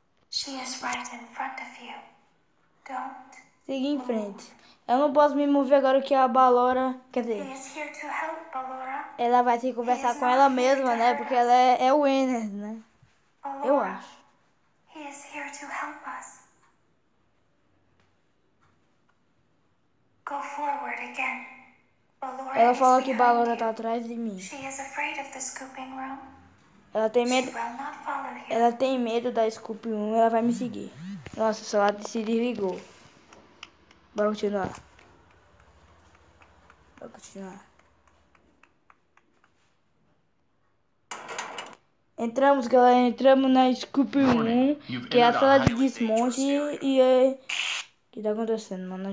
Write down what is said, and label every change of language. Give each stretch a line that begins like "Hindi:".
English: She is right in front of you. Don't.
Portuguese: Siga em frente. Eu não posso me mover agora que a Ballora. Quer dizer.
English: He is here to help Ballora.
Portuguese: Ela vai ter que conversar com ela mesma, né? Porque ela é o Enes, né? Eu acho.
English: He is here to help us. Go forward again. Ballora,
Portuguese: ela falou que Ballora tá atrás de mim.
English: She is afraid of the scooping room.
Portuguese: Ela tem medo.
English: She will not follow you.
Portuguese: Ela tem medo da scoop 1, ela vai me seguir. Nossa, o celular se desligou. Bora continuar. Bora continuar. Entramos, galera, entramos na scoop 1, que é a sala de desmonte e o que tá acontecendo, mano?